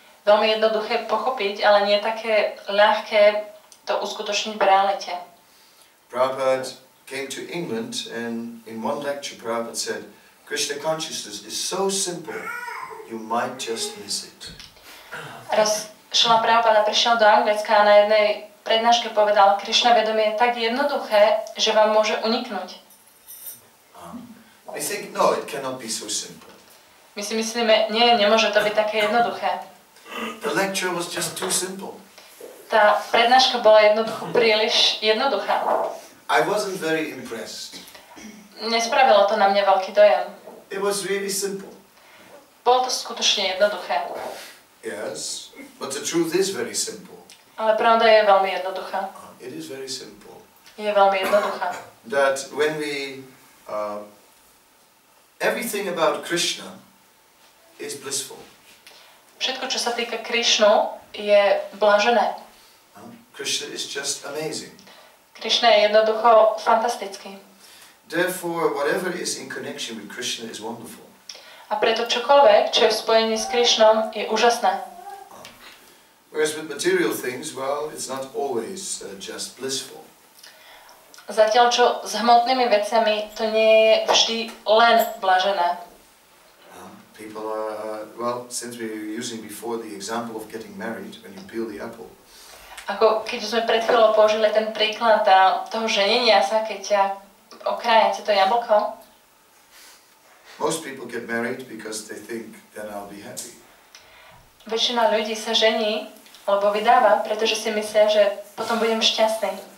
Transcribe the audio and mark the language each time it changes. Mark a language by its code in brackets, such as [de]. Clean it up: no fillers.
[sk] Veľmi jednoduché pochopiť, ale nie také ľahké to uskutočniť v realite. [en] Prabhupada came to England and in one lecture Prabhupada said Krishna consciousness is so simple, you might just miss it. [sk] Raz Šrila Prabhupada prišiel do Anglicka a na jednej prednáške povedal, Krishna vedomie je tak jednoduché, že vám môže uniknúť. [en] I think, no, it cannot be so simple. [sk] My si myslíme, nie, nemôže to byť také jednoduché. [en] The lecture was just too simple. [sk] Tá prednáška bola jednoducho príliš jednoduchá. [en] I wasn't very impressed. [sk] Nespravilo to na mňa veľký dojem. [en] It was really simple. [sk] Bolo to skutočne jednoduché. [en] Yes, but the truth is very simple. [sk] Ale pravda je veľmi jednoduchá. [en] It is very simple. [sk] Je veľmi jednoduchá. [en] That when we everything about Krishna is blissful. [sk] Všetko, čo sa týka Krišnu, je blažené. [en] Krishna is just amazing. [sk] Krišna je jednoducho fantastický. [en] Therefore, whatever is in connection with Krishna is wonderful. [sk] A preto čokoľvek, čo je v spojení s Krišnom, je úžasné. [en] Whereas with material things, well, it's not always just blissful. [sk] Zatiaľ, čo s hmotnými vecami, to nie je vždy len blažené. [en] People are, since we were using before the example of getting married, when you peel the apple. [sk] Ako keď sme pred chvíľou použili ten príklad toho ženenia sa, keď ťa okrajete to jablko? [en] Most people get married because they think then I'll be happy. [sk] Väčšina ľudí sa žení, lebo vydáva, pretože si myslia, že potom budem šťastný.